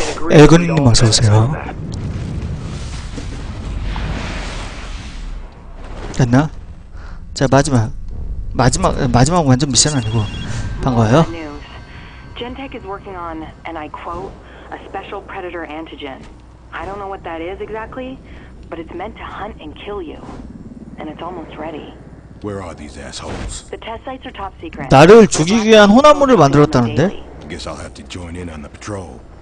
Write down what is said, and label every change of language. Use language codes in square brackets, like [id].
[ko] 에그님 어서오세요. 됐나? 자, 마지막 완전 미션 아니고 반가워요. [en] Gentech is working on, and I quote, a special predator antigen. I don't know what that is exactly, but it's meant to hunt and kill you. And it's almost ready. Where are these assholes? The test sites are top secret. [ko] 나를 죽이기 위한 혼합물을 만들었다는데? [en] Guess I'll have to join in on the patrol.